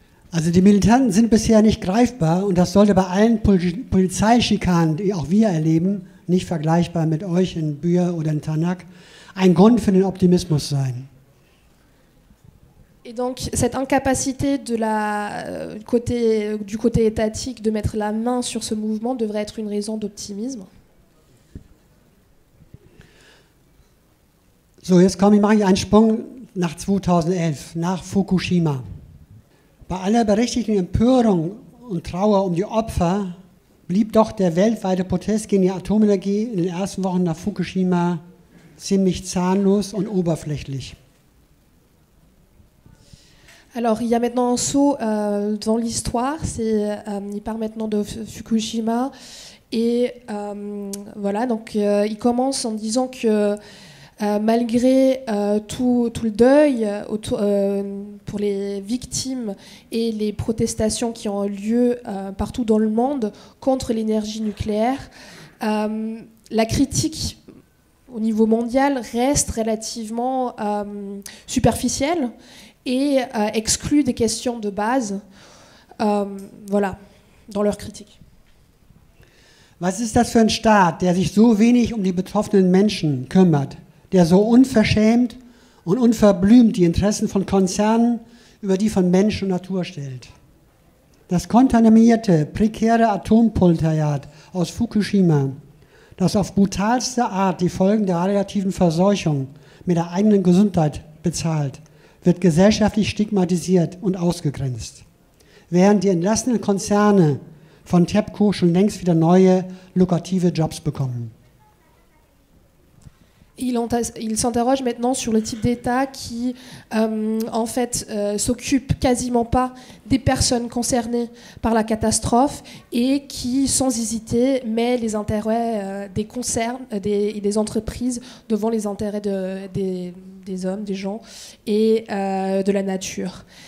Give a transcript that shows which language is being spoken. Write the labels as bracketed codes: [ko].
[de] Also die Militanten sind bisher nicht greifbar und das sollte bei allen Polizeischikanen, die auch wir erleben, nicht vergleichbar mit euch in Buer oder in Tanak, ein Grund für den Optimismus sein. [fr] Et donc cette incapacité de la côté étatique de mettre la main sur ce mouvement devrait être une raison d'optimisme. [de] So, jetzt mache ich einen Sprung nach 2011, nach Fukushima. Bei aller berechtigten Empörung und Trauer um die Opfer blieb doch der weltweite Protest gegen die Atomenergie in den ersten Wochen nach Fukushima ziemlich zahnlos und oberflächlich. [fr] Alors, il y a maintenant un saut dans l'histoire. C'est, il part maintenant de Fukushima et voilà. Donc, il commence en disant que malgré tout le deuil autour, pour les victimes et les protestations qui ont lieu partout dans le monde contre l'énergie nucléaire, la critique au niveau mondial reste relativement superficielle. Et exclut des questions de base, voilà, dans leur critique. [de] Was ist das für ein Staat, der sich so wenig um die betroffenen Menschen kümmert, der so unverschämt und unverblümt die Interessen von Konzernen über die von Mensch und Natur stellt? Das kontaminierte, prekäre Atompolterjahr aus Fukushima, das auf brutalste Art die Folgen der radioaktiven Verseuchung mit der eigenen Gesundheit bezahlt, wird gesellschaftlich stigmatisiert und ausgegrenzt, während die entlassenen Konzerne von TEPCO schon längst wieder neue lukrative Jobs bekommen. [fr] Il s'interroge maintenant sur le type d'État qui, en fait, s'occupe quasiment pas des personnes concernées par la catastrophe et qui, sans hésiter, met les intérêts des concernes et des entreprises devant les intérêts des hommes, des gens et de la nature.